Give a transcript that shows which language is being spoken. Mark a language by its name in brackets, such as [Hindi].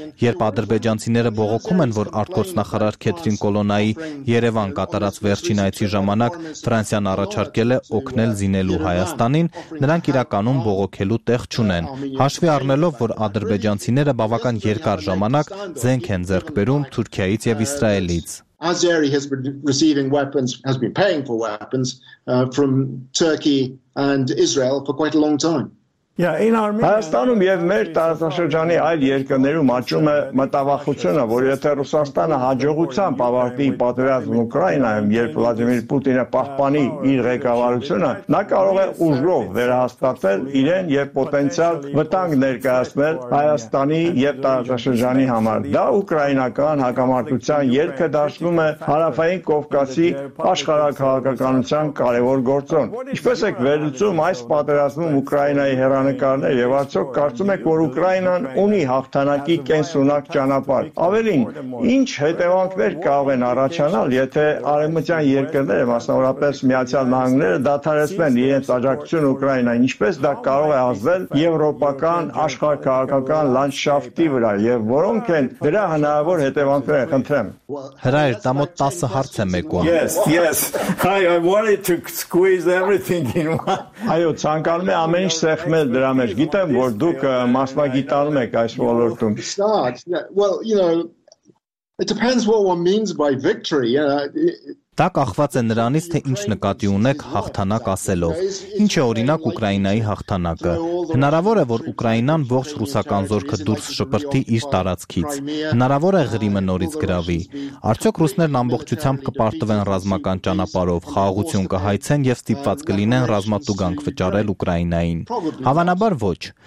[Armenian] երբ ադրբեջանցիները բողոքում են, որ արտգործնախարար Քեթրին Կոլոնայի Երևան կատարած վերջին այցի ժամանակ Ֆրանսիան առաջարկել է օգնել զինելու Հայաստանին, նրանք իրականում բողոքելու տեղ չունեն, հաշվի առնելով, որ ադրբեջանցիները բավական երկար ժամանակ զենք են ձեռք բերում Թուրքիայից եւ Իսրայելից։ [English] Azeri has been receiving weapons, has been paying for weapons from Turkey and Israel for quite a long time. [Armenian] Հայաստանում եւ մեր տարածաշրջանի այլ երկրներում աճում է մտավախությունը, որ եթե Ռուսաստանը հաջողությամբ ավարտի պատերազմ Ուկրաինայում, երբ Վլադիմիր Պուտինը պահպանի իր ղեկավարությունը, նա կարող է ուժով վերահաստատել իրեն եւ պոտենցիալ վտանգ ներկայացնել Հայաստանի եւ տարածաշրջանի համար։ Դա ուկրաինական հակամարտության ելքը դարձնում է հարավային Կովկասի աշխարհակահաղաղականության կարևոր գործոն։ Ինչպես եք վերլուծում այս պատերազմում Ուկրաինայի հերանեկարներ եւ արդյոք կարծում եք, որ Ուկրաինան ունի հաղթանակի կենսունակ ճանապարհ։ Ավելին, ինչ հետևանքներ կարող են առաջանալ, եթե արևմտյան երկրները, մասնավորապես Միացյալ Նահանգները, դադարեցնեն իրենց աջակցություն Ուկրաինային, ինչպես դա կարող է ազդել եվրոպական աշխարհակահաղաղական լանդշաֆտի վրա եւ որոնք են դրա հնարավոր հետևանքները, խնդրեմ։ Հրայր, դա մոտ 10 հարց է մեկում։ [English] Yes. Hi, I wanted to squeeze everything in one. [Armenian] Այո, ցանկանում եմ ամեն ինչ սեղմել դրա մեջ։ Գիտեմ, որ դուք մասնագիտանում եք այս ոլորտում։ [English] Well, you know, it depends what one means by victory. [Armenian] Դա կախված է նրանից, թե ինչ նկատի ունեք հաղթանակ ասելով։ Ինչ է օրինակ Ուկրաինայի հաղթանակը։ Հնարավոր է, որ Ուկրաինան ողջ ռուսական զորքը դուրս շպրտի իր տարածքից։ Հնարավոր է Ղրիմը նորից գրավի։ Արդյոք ռուսներն ամբողջությամբ կպարտվեն ռազմական ճանապարհով, խաղաղություն կհայցեն եւ ստիպված կլինեն ռազմատուգանք վճարել Ուկրաինային։ Հավանաբար ոչ։